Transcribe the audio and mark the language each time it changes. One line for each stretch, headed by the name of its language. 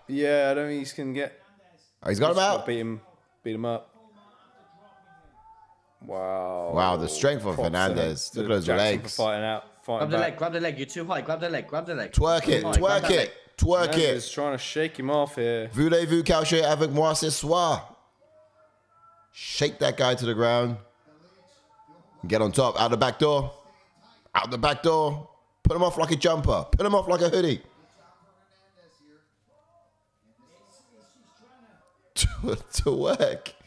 English: Yeah, I don't think he's going to get... Oh, he's got him out. Beat him up. Wow. Wow, the strength of Hernandez. Look at those Jackson legs. For fighting out. Grab the leg, grab the leg. You're too high. Grab the leg, grab the leg. Twerk it, twerk it, twerk it. He's trying to shake him off here.
French: Voulez-vous coucher avec moi ce soir?
English: Shake that guy to the ground. Get on top, out the back door. Out the back door. Put him off like a jumper. Put him off like a hoodie. To work.